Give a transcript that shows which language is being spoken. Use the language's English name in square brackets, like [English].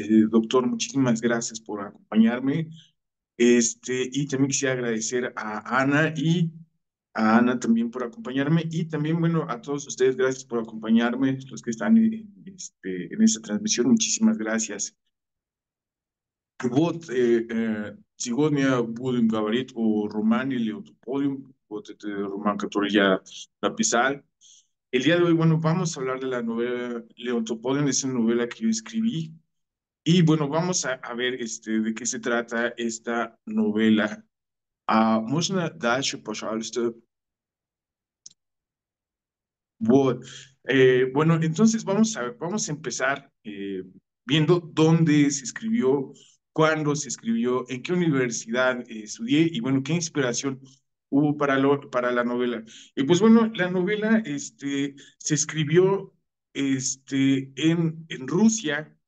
[Spanish] Doctor, muchísimas gracias por acompañarme. Y también quisiera agradecer a Ana también por acompañarme y también, bueno, a todos ustedes, gracias por acompañarme, los que están en esta transmisión, muchísimas gracias. [Russian] Вот, сегодня будем говорить о романе «Лето подиум», вот это роман, который я написал. [Spanish] El día de hoy, bueno, vamos a hablar de la novela «Лето подиум», es una novela que yo escribí. Y bueno, vamos a ver de qué se trata esta novela. [Russian] Можно дальше, пожалуйста. Вот. [Spanish] Bueno, entonces vamos a empezar viendo dónde se escribió, cuándo se escribió, en qué universidad estudié y, bueno, qué inspiración hubo para la novela. Y pues bueno, la novela se escribió en Rusia.